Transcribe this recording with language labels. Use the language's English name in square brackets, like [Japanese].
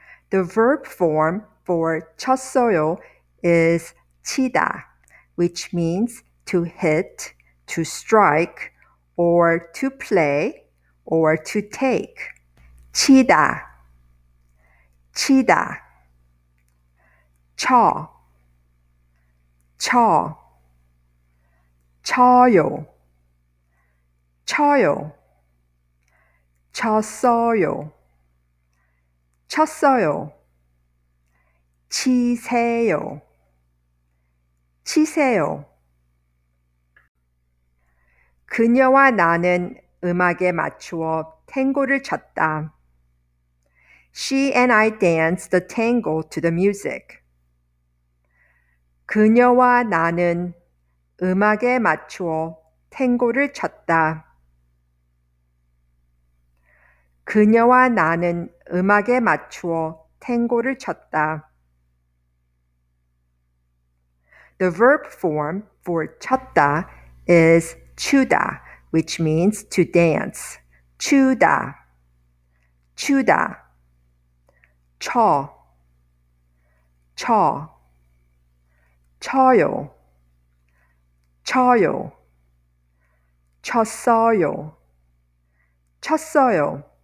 [English] The verb form for 쳤어요 is 치다, which means to hit, to strike, or to play, or to take. [Korean] 치다, 치다. 쳐, 쳐, 쳐요, 쳐요, 쳤어요, 쳤어요, 치세요, 치세요. 그녀와 나는 음악에 맞추어 탱고를 췄다. [English] She and I danced the tango to the music. [Korean] 그녀와 나는 음악에 맞추어 탱고를 쳤다. 그녀와 나는 음악에 맞추어 탱고를 쳤다. [English] The verb form for 쳤다 is 추다, which means to dance. [Korean] 추다, 추다. 쳐, 쳐, 쳐요, 쳐요, 쳤어요, 쳤어요.